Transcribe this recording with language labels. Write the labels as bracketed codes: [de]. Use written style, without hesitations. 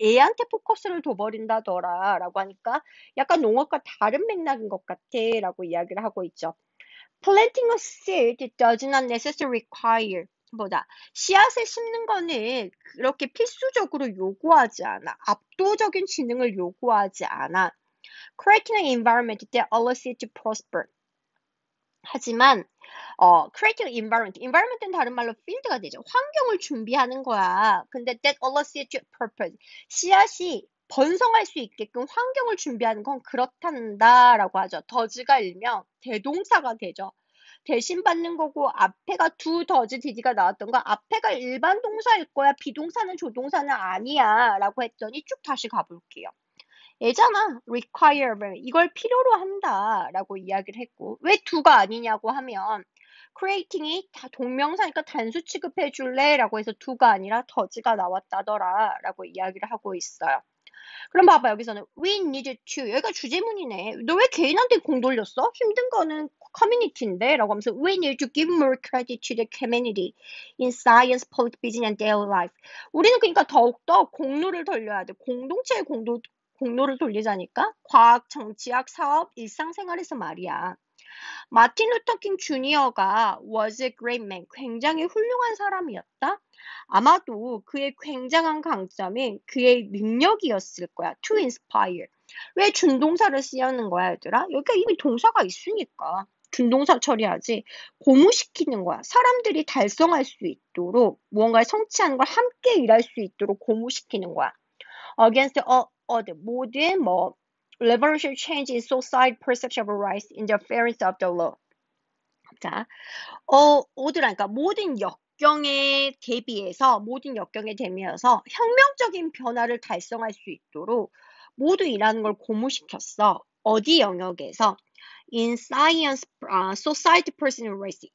[ko] 애한테 포커스를 둬버린다더라라고 하니까 약간 농업과 다른 맥락인 것 같아라고 이야기를 하고 있죠. [en] Planting a seed does not necessarily require. [ko] 뭐다. 씨앗을 심는 거는 그렇게 필수적으로 요구하지 않아. 압도적인 지능을 요구하지 않아. [en] Creating an environment that allows it to prosper. [ko] 하지만, [en] creating environment. [ko] Environment은 다른 말로 field가 되죠. 환경을 준비하는 거야. 근데 [en] that allows it to prosper. [ko] 씨앗이 번성할 수 있게끔 환경을 준비하는 건 그렇단다라고 하죠. does가 일명 대동사가 되죠. 대신 받는 거고 앞에가 do, does, did가 나왔던 거 앞에가 일반 동사일 거야. 비동사는 조동사는 아니야 라고 했더니 쭉 다시 가볼게요. 얘잖아. require를 이걸 필요로 한다라고 이야기를 했고 왜 do가 아니냐고 하면 creating이 다 동명사니까 단수 취급해 줄래? 라고 해서 do가 아니라 does가 나왔다더라 라고 이야기를 하고 있어요. 그럼 봐봐, 여기서는 [en] we need to. [ko] 여기가 주제문이네. 너왜 개인한테 공 돌렸어? 힘든 거는 커뮤니티인데? 라고 하면서 [en] we need to give more credit to the community in science, politics, business, and daily life. [ko] 우리는 그러니까 더욱더 공로를 돌려야 돼. 공동체의 공로를 돌리자니까? 과학, 정치학, 사업, 일상생활에서 말이야. 마틴 루터 킹 주니어가 [en] was a great man. [ko] 굉장히 훌륭한 사람이었다. 아마도 그의 굉장한 강점이 그의 능력이었을 거야. [en] To inspire. [ko] 왜 준동사를 쓰였는 거야, 얘들아? 여기가 이미 동사가 있으니까. 준동사 처리하지. 고무시키는 거야. 사람들이 달성할 수 있도록, 무언가에 성취하는 걸 함께 일할 수 있도록 고무시키는 거야. [en] Against all other. [ko] 모든 뭐. [en] Revolutionary change in society perception of rights in the fairness of the law. [ko] 자, 오드라니까 모든 역경에 대비해서 모든 역경에 대비해서 혁명적인 변화를 달성할 수 있도록 모두 일하는 걸 고무시켰어. 어디 영역에서? [en] in science, society person race.